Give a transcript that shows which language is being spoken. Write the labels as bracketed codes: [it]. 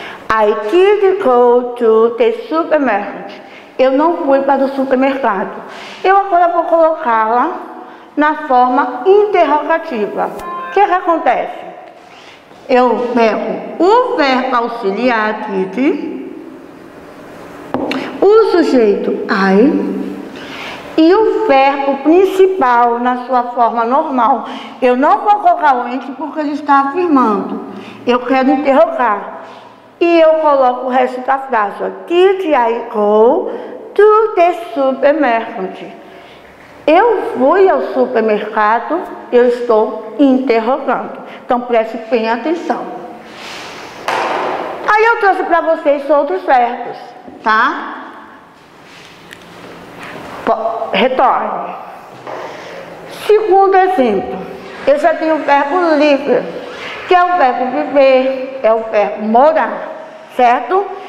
[en] I didn't go to the supermarket. [pt] Eu não fui para o supermercado. Eu agora vou colocá-la na forma interrogativa. O que acontece? Eu pego o verbo auxiliar did, o sujeito I, e o verbo principal na sua forma normal. Eu não vou colocar o ent porque ele está afirmando. Eu quero interrogar. E eu coloco o resto da frase. [en] Did I go to the supermarket? [pt] Eu fui ao supermercado, eu estou interrogando. Então preste bem atenção. Aí eu trouxe para vocês outros verbos, tá? Retorne. Segundo exemplo, eu já tenho o verbo livre, que é o verbo viver, é o verbo morar, certo?